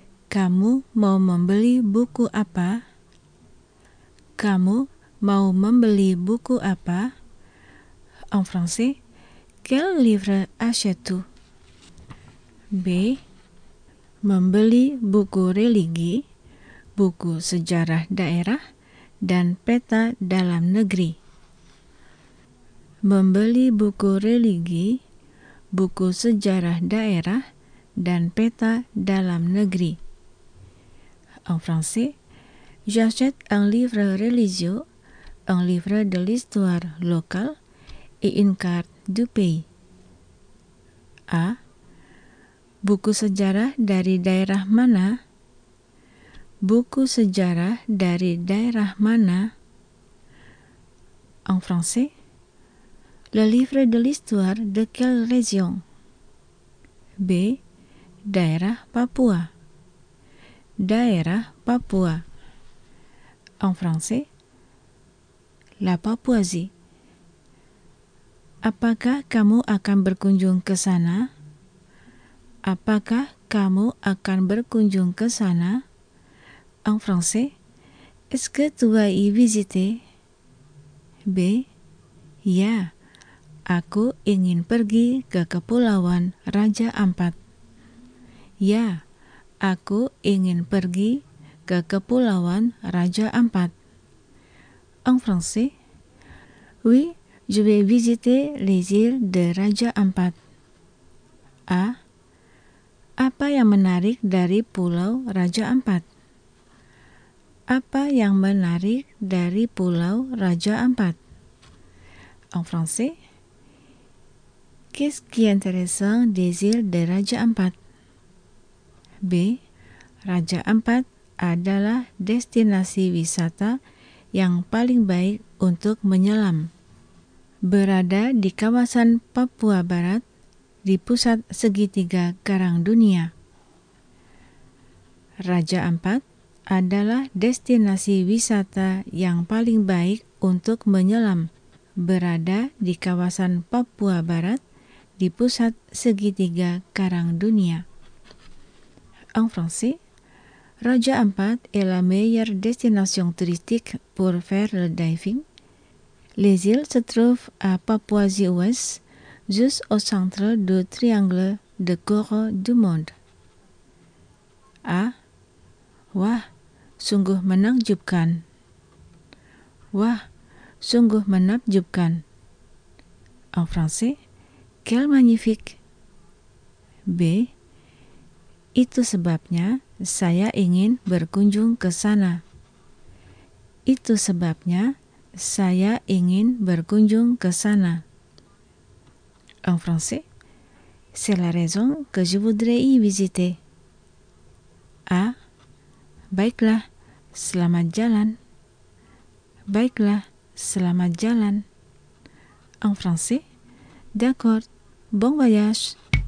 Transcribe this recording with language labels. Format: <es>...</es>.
<id>Kamu mau membeli buku apa? Kamu mau membeli buku apa?</id> <fr>En français, quel livre achètes-tu?</fr> <id>B. Membeli buku religi, buku sejarah daerah, dan peta dalam negeri. Membeli buku religi, buku sejarah daerah, dan peta dalam negeri.</id> <fr>En français, j'achète un livre religieux, un livre de l'histoire locale et une carte du pays. A.</fr> <id>Buku sejarah dari daerah mana? Buku sejarah dari daerah mana?</id> <fr>En français, le livre de l'histoire de quelle région? B.</fr> <id>Daerah Papua. Daerah Papua.</id> <fr>En français, la Papouasie.</fr> <id>Apakah kamu akan berkunjung ke sana? Apakah kamu akan berkunjung ke sana?</id> <fr>En français, est-ce que tu vas y visiter? B.</fr> <id>Ya, aku ingin pergi ke Kepulauan Raja Ampat. Ya, aku ingin pergi ke Kepulauan Raja Ampat.</id> <fr>En français, oui, je vais visiter les îles de Raja Ampat. A.</fr> <id>Apa yang menarik dari Pulau Raja Ampat? Apa yang menarik dari Pulau Raja Ampat?</id> <fr>En français, qu'est-ce qui est intéressant des îles de Raja Ampat? B.</fr> <id>Raja Ampat adalah destinasi wisata yang paling baik untuk menyelam. Berada di kawasan Papua Barat, di pusat segitiga karang dunia. Raja Ampat adalah destinasi wisata yang paling baik untuk menyelam. Berada di kawasan Papua Barat, di pusat segitiga karang dunia.</id> <fr>En français, Raja Ampat est la meilleure destination touristique pour faire le diving. Les îles se trouvent à Papouasie-Ouest, juste au centre du triangle de Corée du Monde. A.</fr> <id>Wah, sungguh menakjubkan. Wah, sungguh menakjubkan.</id> <fr>En français, quel magnifique. B.</fr> <id>Itu sebabnya saya ingin berkunjung ke sana. Itu sebabnya saya ingin berkunjung ke sana.</id> <fr>En français, c'est la raison que je voudrais y visiter. A.</fr> <id>Baiklah, selamat jalan. Baiklah, selamat jalan.</id> <fr>En français, d'accord, bon voyage.</fr>